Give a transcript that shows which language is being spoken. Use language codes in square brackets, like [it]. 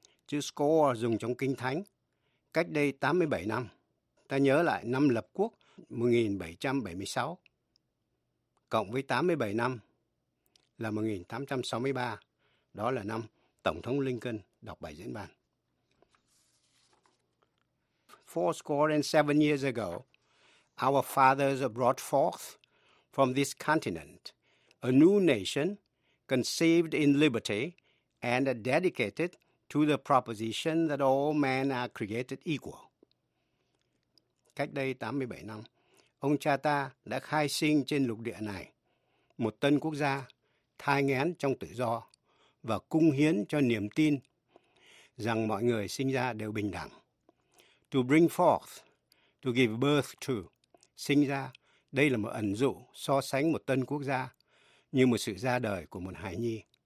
[vi] Chữ score dùng trong Kinh Thánh. Cách đây 87 năm, ta nhớ lại năm lập quốc 1776, cộng với 87 năm là 1863. Đó là năm Tổng thống Lincoln đọc bài diễn văn. [en] 4 score and 7 years ago, our fathers brought forth from this continent a new nation conceived in liberty and dedicated to the proposition that all men are created equal. [vi] Cách đây 87 năm, ông cha ta đã khai sinh trên lục địa này một tân quốc gia thai nghén trong tự do, và cung hiến cho niềm tin rằng mọi người sinh ra đều bình đẳng. [en] To bring forth, to give birth to, [vi] sinh ra, đây là một ẩn dụ so sánh một tân quốc gia như một sự ra đời của một hài nhi.